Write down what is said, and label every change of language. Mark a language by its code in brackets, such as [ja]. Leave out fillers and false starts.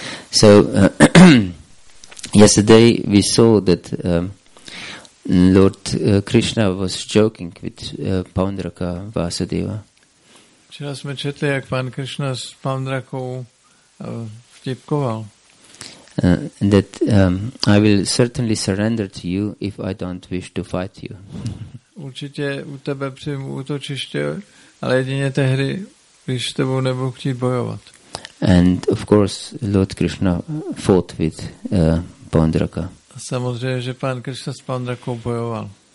[en] So yesterday we saw that Lord Krishna was joking with Pandraka Vasudeva. [cs] Včera jsme četli, jak pan Krishna s Pandrakou vtipkoval. [en] That I will certainly surrender to you if I don't wish to fight you. [cs] Určitě u tebe přijmu útočiště, ale jedině tehdy, když s tebou nebudu chtít bojovat. [en] And of course Lord Krishna fought with Pandraka. [cs] A samozřejmě, že pan Krishna s Pandrakou bojoval.